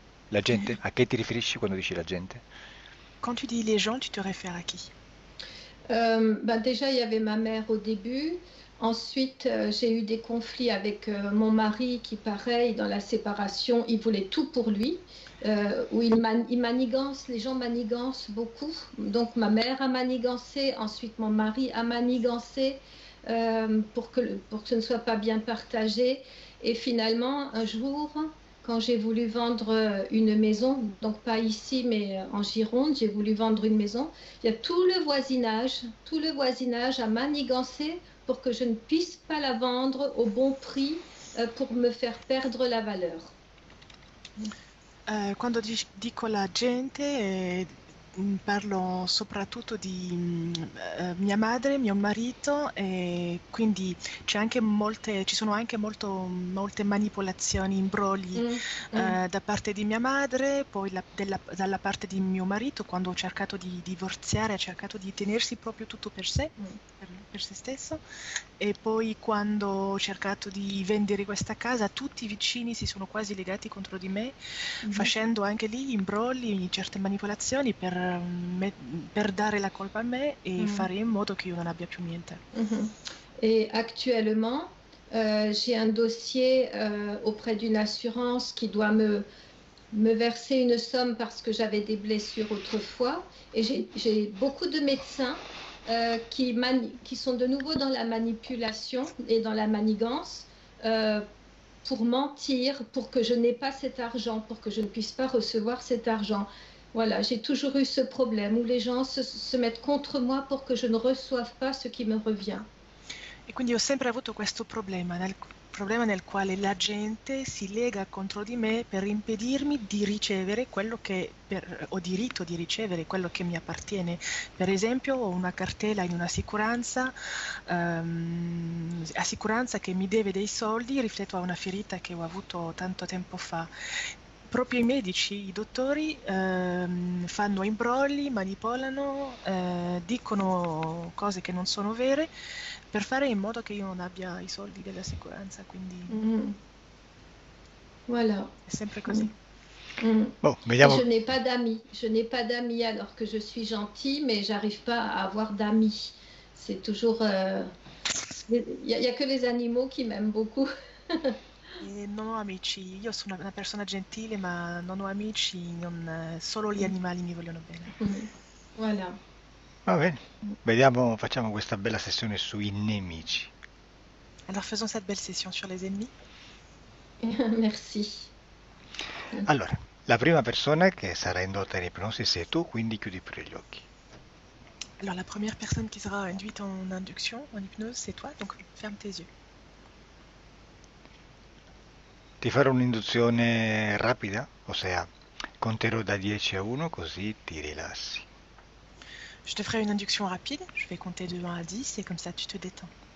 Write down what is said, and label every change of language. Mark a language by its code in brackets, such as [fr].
[it] La gente, a che ti riferisci quando dici la gente? [fr] Quand tu dis les gens, tu te réfères à qui? Déjà, il y avait ma mère au début. Ensuite, j'ai eu des conflits avec mon mari qui, pareil, dans la séparation, il voulait tout pour lui. Où il manigance, les gens manigancent beaucoup. Donc, ma mère a manigancé, ensuite, mon mari a manigancé pour que ce ne soit pas bien partagé. Et finalement, un jour, quand j'ai voulu vendre une maison, donc pas ici, mais en Gironde, j'ai voulu vendre une maison, il y a tout le voisinage a manigancé pour que je ne puisse pas la vendre au bon prix pour me faire perdre la valeur. [it] Quando dico la gente, parlo soprattutto di mia madre, mio marito, e quindi ci sono anche molte manipolazioni, imbrogli da parte di mia madre, poi dalla parte di mio marito, quando ho cercato di divorziare, ha cercato di tenersi proprio tutto per sé. Per se stesso, e poi quando ho cercato di vendere questa casa, tutti i vicini si sono quasi legati contro di me, facendo anche lì imbrogli, certe manipolazioni per dare la colpa a me e fare in modo che io non abbia più niente. [fr] Et actuellement, j'ai un dossier auprès d'une assurance qui doit me verser une somme parce que j'avais des blessures autrefois. Et j'ai beaucoup de médecins qui sont de nouveau dans la manipulation et dans la manigance pour mentir, pour que je n'aie pas cet argent, pour que je ne puisse pas recevoir cet argent. Voilà, j'ai toujours eu ce problème où les gens se mettent contre moi pour que je ne reçoive pas ce qui me revient. [it] E quindi ho sempre avuto questo problema nel quale la gente si lega contro di me per impedirmi di ricevere quello ho diritto di ricevere quello che mi appartiene. Per esempio, ho una cartella in un'assicuranza che mi deve dei soldi, rifletto a una ferita che ho avuto tanto tempo fa. Proprio i medici, i dottori, fanno imbrogli, manipolano, dicono cose che non sono vere per fare in modo che io non abbia i soldi dell'assicurazione, quindi [fr] Voilà. [it] è sempre così. Boh, [fr] Et [it] vediamo. [fr] je n'ai pas d'amis. Je n'ai pas d'amis alors que je suis gentille, mais j'arrive pas à avoir d'amis. C'est toujours. Il n'y a que les animaux qui m'aiment beaucoup. [it] Non ho amici, io sono una persona gentile, ma non ho amici, solo gli animali mi vogliono bene. [fr] Voilà. [it] Va bene, vediamo, facciamo questa bella sessione sui nemici. [fr] Alors faisons cette belle session sur les ennemis. Merci. [it] Allora, la prima persona che sarà indotta in ipnosi sei tu, quindi chiudi pure gli occhi. [fr] Alors la première personne qui sera induite en induction, en hypnose, c'est toi, donc ferme tes yeux. [it] Ti farò un'induzione rapida, ossia conterò da 10 a 1 così ti rilassi. [fr] Je te ferai une induction rapide, je vais compter de 1 à 10 et comme ça tu te détends.